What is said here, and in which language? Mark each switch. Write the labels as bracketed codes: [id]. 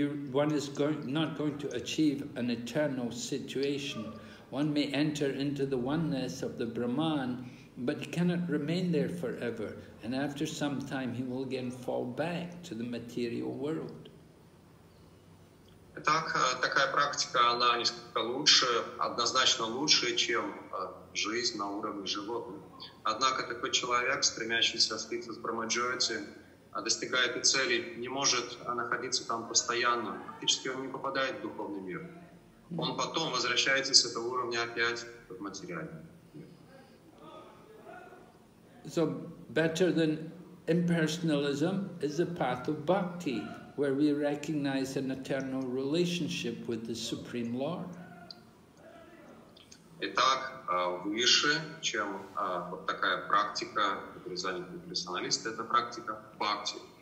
[en] One is not going to achieve an eternal situation. One may enter into the oneness of the Brahman, but he cannot remain there forever. And after some time, he will again fall back to the material world. [ru] Итак, такая практика, она несколько лучше, однозначно лучше, чем жизнь на уровне животных. Однако такой человек, стремящийся слиться с Брахмаджоти, достигает и цели, не может находиться там постоянно. Фактически он не попадает в духовный мир. Он потом возвращается с этого уровня опять в материальный. [en] So better than impersonalism is the path of bhakti, where we recognize an eternal relationship with the Supreme Lord. [ru] Итак, выше, чем вот такая практика, которую занят имперсоналист, это практика бхакти.